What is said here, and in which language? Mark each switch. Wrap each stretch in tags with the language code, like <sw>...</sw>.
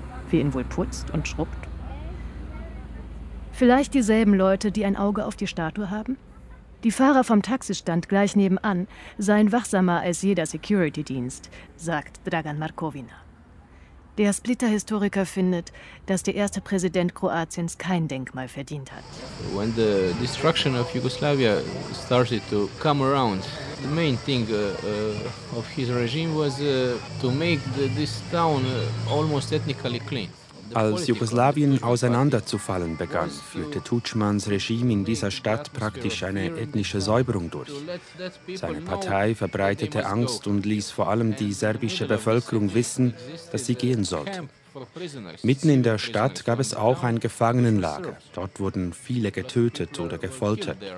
<de>Wer ihn wohl putzt und schrubbt? Vielleicht dieselben Leute, die ein Auge auf die Statue haben? Die Fahrer vom Taxistand gleich nebenan seien wachsamer als jeder Security-Dienst, sagt Dragan Markovina. Der Splitter-Historiker findet, dass der erste Präsident Kroatiens kein Denkmal verdient hat.</de> <en>When the destruction of Yugoslavia started to come around, the main thing of his regime was to make this town almost ethnically clean.</en> <de>Als Jugoslawien auseinanderzufallen begann, führte Tudjmans Regime in dieser Stadt praktisch eine ethnische Säuberung durch. Seine Partei verbreitete Angst und ließ vor allem die serbische Bevölkerung wissen, dass sie gehen sollte. Mitten in der Stadt gab es auch ein Gefangenenlager. Dort wurden viele getötet oder gefoltert.</de>